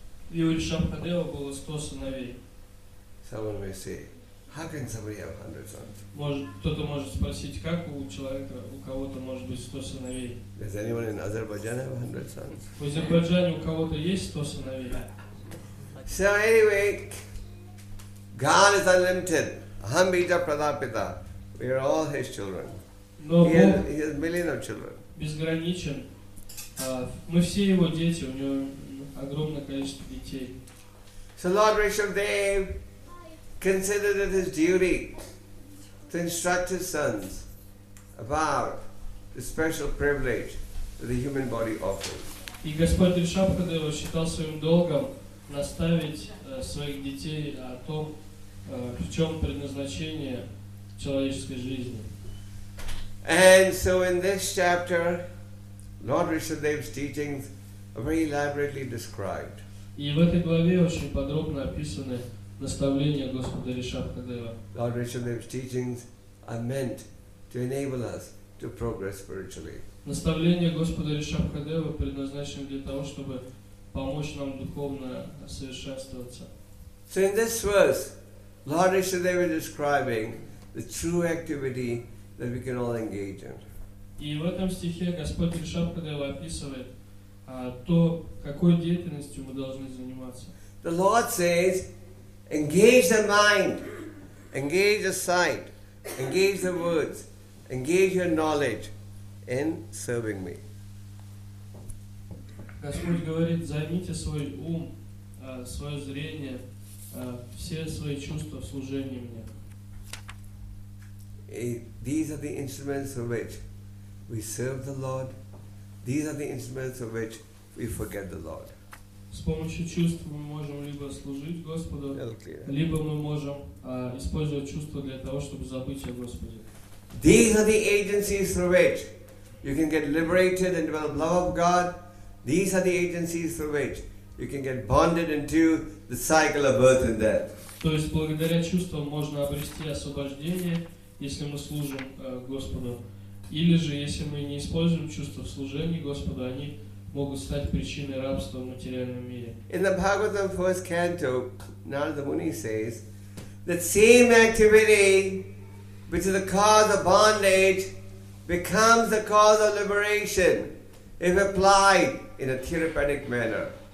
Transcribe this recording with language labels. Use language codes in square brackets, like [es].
[ru] И у Ришабхадева было 100 сыновей. [en] Someone may say, how can somebody have 100 sons? [ru] Кто-то может спросить, как у человека, у кого-то может быть 100 сыновей? [en] Does anyone in Azerbaijan have 100 sons? [ru] В Азербайджане у кого-то есть 100 сыновей? [en] So anyway, God is unlimited. [sa] Aham bija pradapita. [en] We are all His children. He has millions of children. [ru] Безграничен. Мы все Его дети. У Него огромное количество детей. [en] So Lord Rishabhdev considered it his duty to instruct his sons about the special privilege that the human body offers. [ru] И Господь Ришабхадева считал своим долгом наставить своих детей о том, в чем предназначение человеческой жизни. [en] And so in this chapter, Lord Rishabhdev's teachings are very elaborately described. [ru] И в этой главе очень подробно описаны наставления Господа Ришабхадева. [en] Lord Rishabhdev's teachings are meant to enable us to progress spiritually. [ru] Наставления Господа Ришабхадева предназначены для того, чтобы помочь нам духовно совершенствоваться. [en] So in this verse, Lord Rishabhdev is describing the true activity that we can all engage in. [ru] И в этом стихе Господь Ришабхадева описывает то, какой деятельностью мы должны заниматься. [en] The Lord says, engage the mind, engage the sight, engage the words, engage your knowledge in serving me. [ru] Господь говорит, займите свой ум, свое зрение, все свои чувства в служении мне. [en] These are the instruments of which we serve the Lord. These are the instruments of which we forget the Lord. [ru] С помощью чувств мы можем либо служить Господу, либо мы можем использовать чувства для того, чтобы забыть о Господе. [en] These are the agencies through which you can get liberated and develop love of God. These are the agencies through which you can get bonded into the cycle of birth and death. [ru] То есть благодаря чувствам можно обрести освобождение, если мы служим Господу. Или же, если мы не используем чувства в служении Господу, они могут стать причиной рабства в материальном мире. [en] In the Bhagavatam first canto, Narada Muni says, that same activity, which is the cause of bondage, becomes the cause of liberation, if applied in a therapeutic manner.